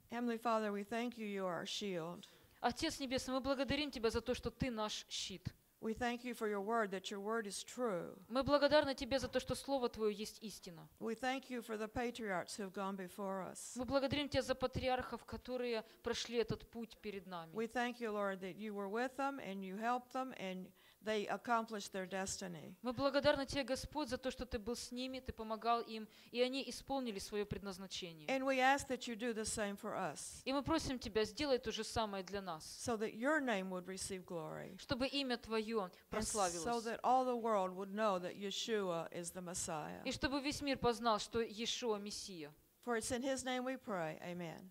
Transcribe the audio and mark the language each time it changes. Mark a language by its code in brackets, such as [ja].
[en] Heavenly Father, we thank you, you are our shield. [ru] Отец Небесный, мы благодарим Тебя за то, что Ты наш щит. [en] We thank you for your word, that your word is true. [ru] Мы благодарны Тебе за то, что Слово Твое есть истина. [en] We thank you for the patriarchs who have gone before us. [ru] Мы благодарим Тебя за патриархов, которые прошли этот путь перед нами. [en] We thank you, Lord, that you were with them and you helped them and they accomplished their destiny. [ru] Мы благодарны Тебе, Господь, за то, что Ты был с ними, Ты помогал им, и они исполнили свое предназначение. [en] And we ask that you do the same for us. [ru] И мы просим Тебя, сделай то же самое для нас. [en] So that your name would receive glory. [ru] Чтобы имя Твое прославилось. [en] So that all the world would know that Yeshua is the Messiah. [ru] И чтобы весь мир познал, что Иешуа Мессия. [en] For it's in His name we pray. Amen.